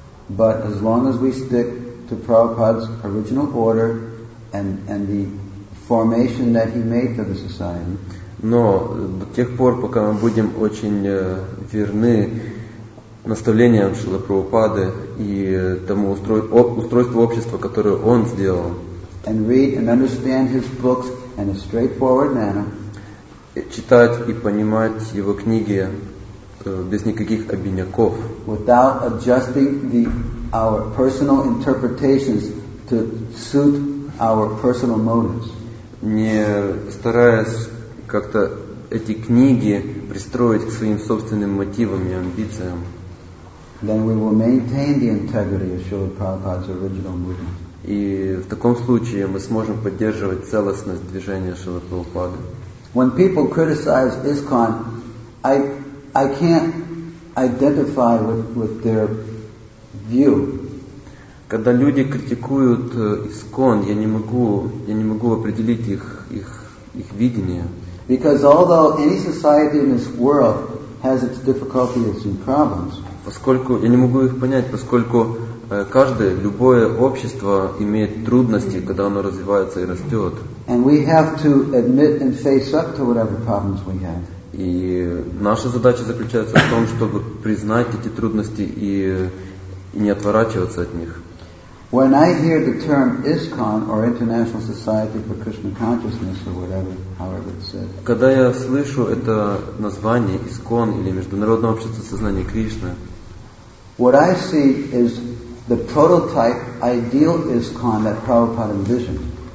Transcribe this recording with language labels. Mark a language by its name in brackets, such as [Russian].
[English] But as long as we stick to Prabhupada's original order and the formation that he made for the society. [Russian] Но до тех пор, пока мы будем очень верны наставлениям Шрилы Прабхупады и тому устройству общества, которое он сделал. [English] And read and understand his books in a straightforward manner. [Russian] Читать и понимать его книги без никаких обиняков. [English] Without adjusting the our personal interpretations to suit our personal motives. [Russian] Не стараясь как-то эти книги пристроить к своим собственным мотивам и амбициям. [English] Then we will maintain the integrity of Srila Prabhupada's original movement. [Russian] И в таком случае мы сможем поддерживать целостность движения Шрилы Прабхупады. [English] When people criticize ISKCON, I can't identify with their view. [Russian] Когда люди критикуют ISKCON, я не могу определить их видение. [English] Because although any society in this world has its difficulties and problems, [Russian] поскольку я не могу их понять, поскольку каждое, любое общество имеет трудности, когда оно развивается и растет. [English] And we have to admit and face up to whatever problems we have. [Russian] И наша задача заключается в том, чтобы признать эти трудности и не отворачиваться от них. [English] When I hear the term ISKCON or International Society for Krishna Consciousness or whatever, however it's said. [Russian] Когда я слышу это название ISKCON или Международное общество сознания Кришны. [English] What I see is the prototype ideal ISKCON that Prabhupada envisioned.